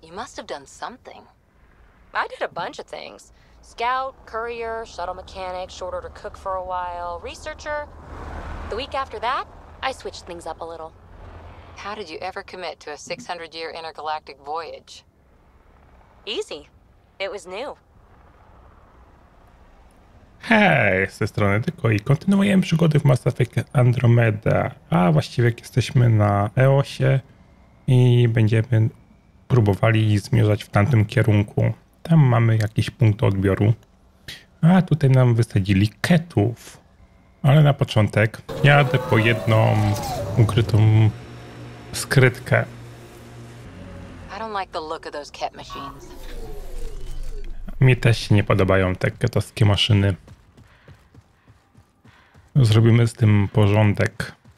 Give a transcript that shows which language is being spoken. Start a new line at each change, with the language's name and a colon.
English: You must have done something. I did a bunch of things. Scout, courier, shuttle mechanic, short order cook for a while, researcher. The week after that, I switched things up a little. How did you ever commit to a 600-year intergalactic voyage? Easy. It was new.
Polish: Hej, z tej strony Tyko i kontynuujemy przygody w Mass Effect Andromeda. A właściwie jak jesteśmy na Eosie i będziemy próbowali zmierzać w tamtym kierunku. Tam mamy jakiś punkt odbioru. A tutaj nam wysadzili ketów. Ale na początek jadę po jedną ukrytą skrytkę.
English: I don't like the look of those ket machines.
Polish: Mi też się nie podobają te ketowskie maszyny. Zrobimy z tym porządek.